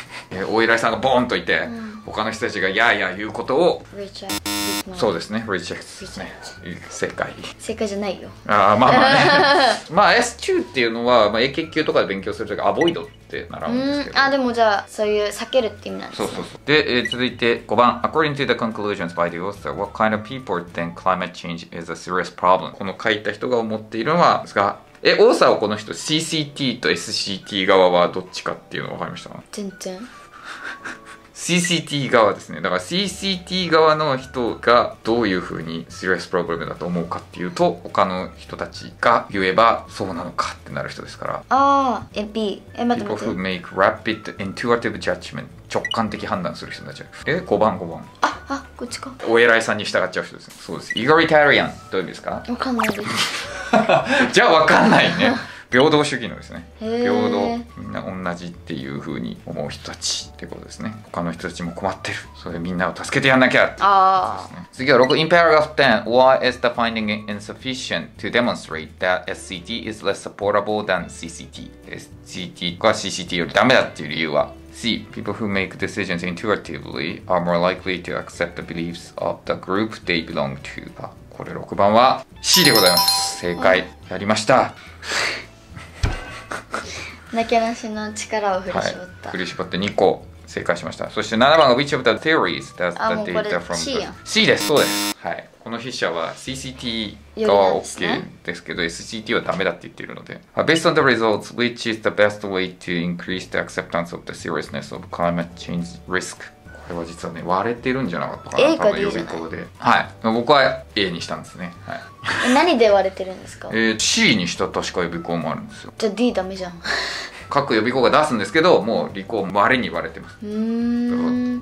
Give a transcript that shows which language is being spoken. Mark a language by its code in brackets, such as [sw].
[ja] 大依頼さんがボーンといて、うん、他の人たちがやーやー言うことを、そうですね、rejects ですね、正解。正解じゃないよ。あ、まあまあね。まあ S 中っていうのは、まあ、英検級とかで勉強するときアボイドって習うんですけど、あ、でもじゃあそういう避けるって意味なんですね。そうそうそう。で、続いて5番。 [en] According to the conclusions by the author, what kind of people think climate change is a serious problem? [ja] この書いた人が思っているのはですが、え、オーサーはこの人 CCT と SCT 側はどっちかっていうの分かりました？全然 CCT 側ですね。だから CCT 側の人がどういうふうにシリアスプロブレムだと思うかっていうと、他の人たちが言えばそうなのかってなる人ですから。ああ、 B、 え、待って待って。 [en] People who make rapid intuitive judgment、 [ja] 直感的判断する人たち。え、5番。あ、あ、こっちか。お偉いさんに従っちゃう人ですね。そうです。イゴリタリアン、どういう意味ですか？分かんないですじゃあ分かんないね。平等主義のですね、平等、みんな同じっていう風に思う人たちってことですね。他の人たちも困ってる、それみんなを助けてやんなきゃってことですね。次は6。 [en] In paragraph 10, why is the finding insufficient to demonstrate that SCT is less supportable than CCT? [ja] SCT が CCT よりダメだっていう理由は。C. [en] People who make decisions intuitively are more likely to accept the beliefs of the group they belong to. [ja] これ6番は C でございます。正解、やりました。なけなしの力を振り絞った、はい、振り絞って2個正解しました。そして7番が [en] Which of the theories that the data from the... [ja] あ、もうこれ C やん。 C です、そうです、はい、この筆者は CCT が OK ですけど、ね、SCT はダメだって言っているので。 [en] Based on the results, which is the best way to increase the acceptance of the seriousness of climate change risk? [ja] これは実はね、割れてるんじゃなかったかな。 A か D じゃない、で、はい、僕は A にしたんですね、はい。何で割れてるんですか？ C にした確か予備校もあるんですよ。じゃあ D ダメじゃん。各予備校が出すんですけど、もう理工もあれに割れてます。うーん、